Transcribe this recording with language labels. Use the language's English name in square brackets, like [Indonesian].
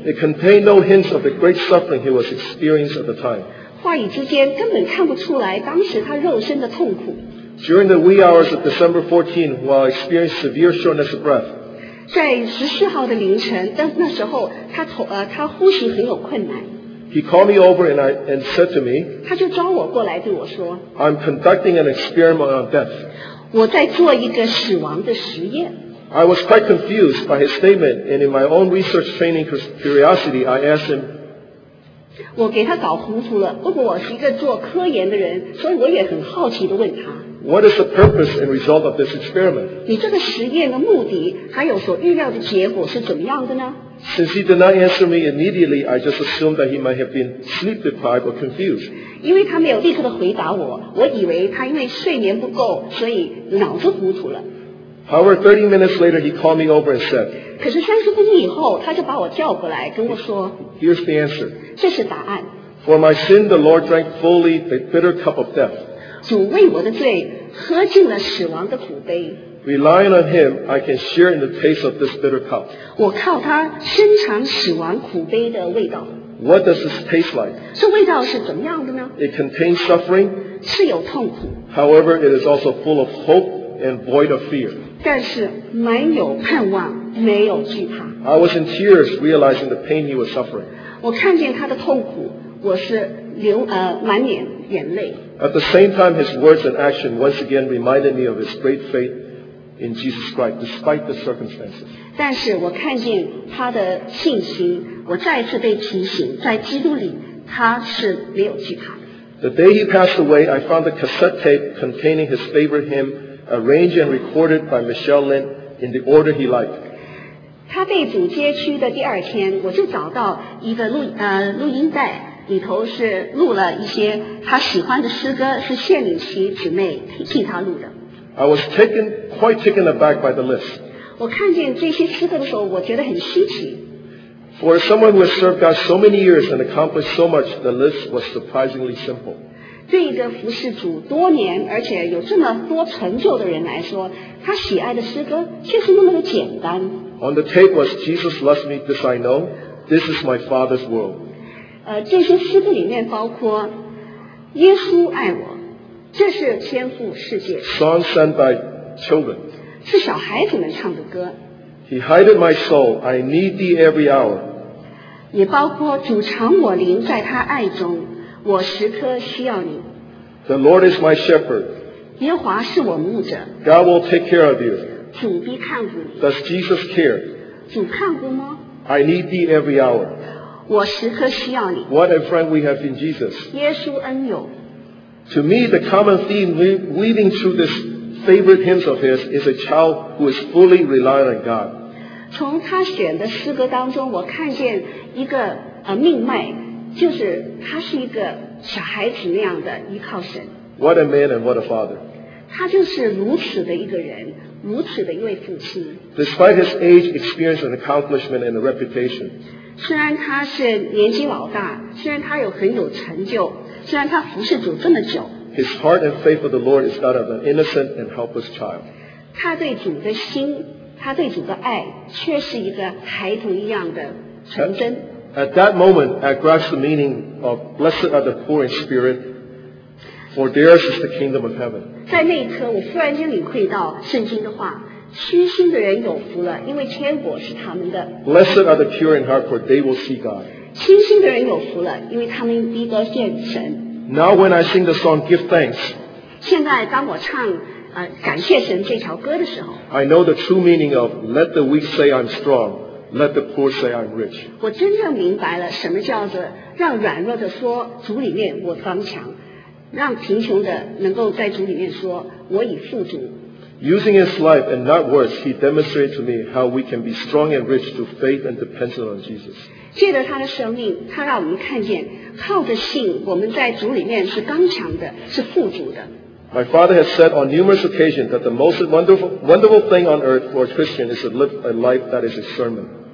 [English] It contained no hints of the great suffering he was experiencing at the time. [Chinese] 话语之间根本看不出来当时他肉身的痛苦。 [English] During the wee hours of December 14, while experiencing severe shortness of breath, [Chinese] 在14号的凌晨，但那时候他呼吸很有困难。 [English] He called me over and said to me, [Chinese] 他就招我过来对我说， [English] I'm conducting an experiment on death. [Chinese] 我在做一个死亡的实验。 [English] I was quite confused by his statement, and in my own research training curiosity, I asked him, [Chinese] 我给他搞糊涂了，不过我是一个做科研的人，所以我也很好奇地问他。 [English] What is the purpose and result of this experiment? [Chinese] 你这个实验的目的还有所预料的结果是怎么样的呢？ [English] Since he did not answer me immediately, I just assumed that he might have been sleep deprived or confused. [Chinese] 因为他没有立刻的回答我，我以为他因为睡眠不够，所以脑子糊涂了。 [English] However, 30 minutes later, he called me over and said, [Chinese] 可是30分钟以后，他就把我叫过来跟我说， [English] Here's the answer. [Chinese] 这是答案。 [English] For my sin, the Lord drank fully the bitter cup of death. [Chinese] 主为我的罪喝尽了死亡的苦杯。 [English] Relying on him, I can share in the taste of this bitter cup. [Chinese] 我靠他深尝死亡苦杯的味道。 [English] What does this taste like? [Chinese] 这味道是怎么样的呢？ [English] It contains suffering. [Chinese] 是有痛苦。 [English] However, it is also full of hope and void of fear. [Chinese] 但是满有盼望，没有惧怕。 [English] I was in tears, realizing the pain he was suffering. [Chinese] 我看见他的痛苦，我是满脸眼泪。 [English] At the same time, his words and action once again reminded me of his great faith in Jesus Christ, despite the circumstances. [Chinese] 但是我看见他的信心，我再次被提醒，在基督里他是没有惧怕的。 [English] The day he passed away, I found a cassette tape containing his favorite hymn, arranged and recorded by Michelle Lin in the order he liked. [Chinese] 他被主接去的第二天，我就找到一个录音带。里头是录了一些他喜欢的诗歌，是献礼其姊妹替他录的。 [English] I was quite taken aback by the list. [Chinese] 我看见这些诗歌的时候，我觉得很稀奇。 [English] For someone who has served God so many years and accomplished so much, the list was surprisingly simple. [Chinese] 对一个服侍主多年而且有这么多成就的人来说，他喜爱的诗歌却是那么的简单。 [English] On the tape was Jesus loves me, this I know, this is my Father's world. [Chinese] 这些诗歌里面包括耶稣爱我，这是天父世界。 [English] Songs sung by children. [Chinese] 是小孩子们唱的歌。 [English] He hided my soul, I need thee every hour. [Chinese] 也包括主藏我灵在他爱中，我时刻需要你。 [English] The Lord is my shepherd. [Chinese] 耶和华是我牧者。 [English] God will take care of you. [Chinese] 主必看顾你。 [English] Does Jesus care? [Chinese] 主看顾吗？ [English] I need thee every hour. [Chinese] 我时刻需要你。 [English] What a friend we have in Jesus. [Chinese] 耶稣恩友。 [English] To me, the common theme weaving through this favorite hymns of his is a child who is fully reliant on God. [Chinese] 从他选的诗歌当中，我看见一个命脉，就是他是一个小孩子那样的依靠神。 [English] What a man and what a father. [Chinese] 他就是如此的一个人，如此的一位父亲。 [English] Despite his age, experience, and accomplishment and reputation. [Chinese] 虽然他是年纪老大，虽然他有很有成就，虽然他服侍主这么久， [English] His heart and faith for the Lord is that of an innocent and helpless child. [Chinese] 他对主的心，他对主的爱，却是一个孩童一样的纯真。 [English] At that moment, I grasped the meaning of blessed are the poor in spirit, for theirs is the kingdom of heaven. [Chinese] 在那一刻，我忽然间领会到圣经的话，虚心的人有福了，因为天国是他们的。 [English] Blessed are the pure in heart, for they will see God. [Chinese] 清心的人有福了，因为他们必得见神。 [English] Now when I sing the song Give Thanks, [Chinese] 现在当我唱感谢神这条歌的时候， [English] I know the true meaning of Let the weak say I'm strong, let the poor say I'm rich. [Chinese] 我真正明白了什么叫做让软弱的说主里面我刚强，让贫穷的能够在主里面说我已富足。 [English] Using his life and not words, he demonstrated to me how we can be strong and rich through faith and dependence on Jesus. [Chinese] 借着他的生命，他让我们看见，靠着信，我们在主里面是刚强的，是富足的。 [English] My father has said on numerous occasions that the most wonderful thing on earth for a Christian is to live a life that is a sermon.